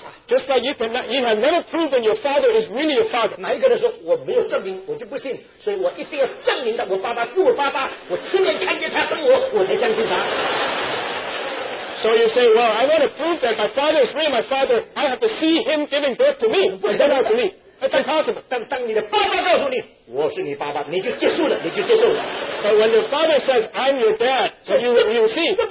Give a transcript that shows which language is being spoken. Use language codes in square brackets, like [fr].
[en] Just like you cannot, you have never proven your father is really your father. [zh] 哪一个人说,我没有证明,我就不信,所以我一定要证明到我爸爸是我爸爸,我亲眼看见他跟我,我才相信他。 [en] So you say, well, I want to prove that my father is really my father. I have to see him giving birth to me. But then not to me. That's impossible. But when your father says, I'm your dad, so you will see.